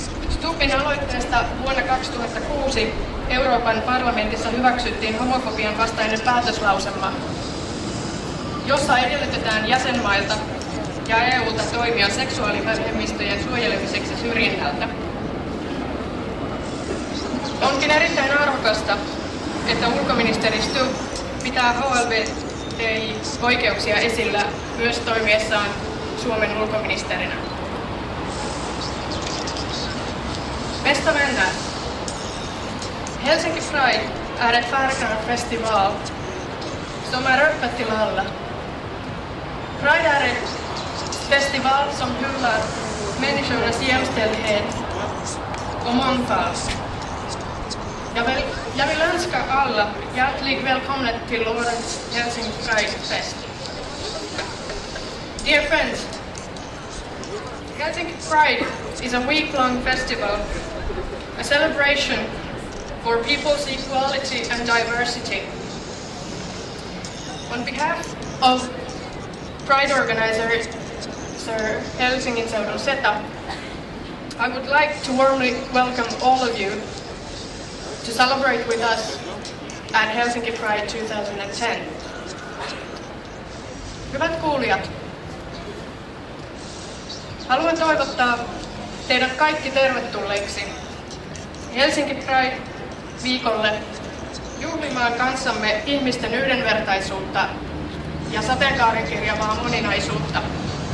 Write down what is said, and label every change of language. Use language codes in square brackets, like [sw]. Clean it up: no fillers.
[fi] Stubbin aloitteesta vuonna 2006 Euroopan parlamentissa hyväksyttiin homofobian vastainen päätöslauselma, jossa edellytetään jäsenmailta ja EU:lta toimia seksuaalivähemmistöjen suojelemiseksi syrjinnältä. Onkin erittäin arvokasta, että ulkoministeri Stubb pitää HLBTI-oikeuksia esillä myös toimiessaan Suomen ulkoministerinä. [sv] Bästa vänner, Helsinki Pride är ett Färgerna-festival som är öppet till alla. Pride är ett festival som hyllar människornas jämställdhet och mångfald. Jag vill önska alla hjärtligt välkomna till årets Helsinki Pride-fest. [en] Dear friends, Helsinki Pride is a week-long festival, a celebration for people's equality and diversity. On behalf of Pride organizer Sir Helsingin Seudun Seta, I would like to warmly welcome all of you to celebrate with us at Helsinki Pride 2010. [fi] Hyvät kuulijat, haluan toivottaa teidät kaikki tervetulleiksi Helsinki Pride-viikolle juhlimaan kanssamme ihmisten yhdenvertaisuutta ja sateenkaarikirjavaa moninaisuutta.